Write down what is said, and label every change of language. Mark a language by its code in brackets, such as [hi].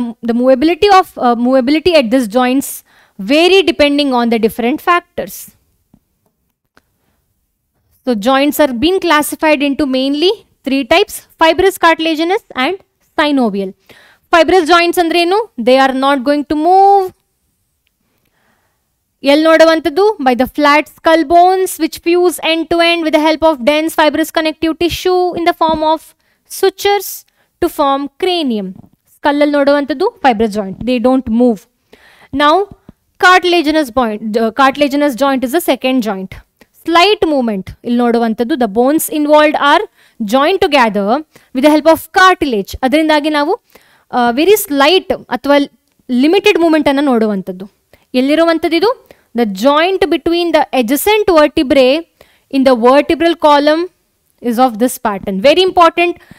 [en] The movability at this joints vary depending on the different factors. So joints are being classified into mainly three types: fibrous, cartilaginous and synovial. Fibrous joints [kn] andre enu, [en] they are not going to move. [kn] Yel nodavantadu [en] by the flat skull bones which fuse end to end with the help of dense fibrous connective tissue in the form of sutures to form cranium. [kn] Skull alli nodavantadu [en] fibrous joint, they don't move. Now cartilaginous joint is the second joint. [kn] Slight movement ಇಲ್ಲಿ ನೋಡುವಂಥದ್ದು. [en] The bones involved are joint together with the help of cartilage. [kn] ಅದರಿಂದಾಗಿ ನಾವು very slight ಅಥವಾ limited ಮೂವ್ಮೆಂಟನ್ನು ನೋಡುವಂಥದ್ದು. ಎಲ್ಲಿರುವಂಥದ್ದು ಇದು? [en] The joint between the adjacent vertebrae in the vertebral column is of this pattern. Very important.